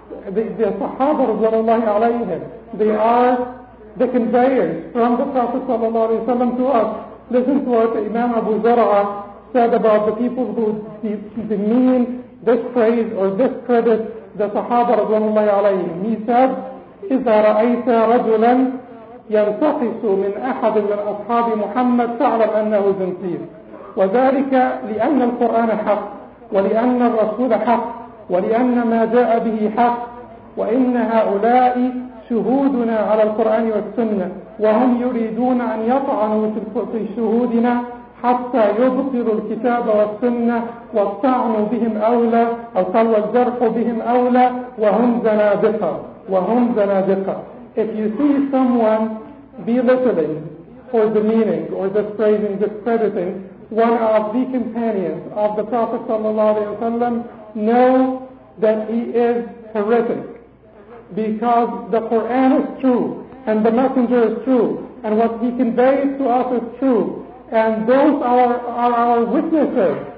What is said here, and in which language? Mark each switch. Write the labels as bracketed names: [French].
[English] The Sahaba radiallahu alayhim, they are the conveyors from the Prophet sallallahu alayhi wa sallam to us. Listen to what Imam Abu Zara'a said about the people who demean this praise or discredit the Sahaba radiallahu alayhim. [Arabic] He said, إِذَا رَأَيْتَ رَجُلًا يَنْتَقِسُ مِنْ أَحَدٍ مِنْ أَصْحَابِ مُحَمَّدٍ تَعْلَمْ أَنَّهُ زِنْتِيرٌ وَذَلِكَ لِأَنَّ الْقُرْآنَ حَقٌّ وَلِأَنَّ الرَّسُولَ حَقٌّ ولأن ما جاء به حق وإن هؤلاء شهودنا على القرآن والسنة وهم يريدون أن يطعنوا في شهودنا حتى يبطلوا الكتاب والسنة والطعن بهم أولى أو قال والجرح بهم أولى وهم زنادقة وهم زنادقة. [English] If you see someone belittling or demeaning or disgracing, discrediting one of the companions of the Prophet [Arabic] صلى الله عليه وسلم, [English] know that he is heretic, because the Quran is true and the Messenger is true and what he conveys to us is true, and those are our witnesses.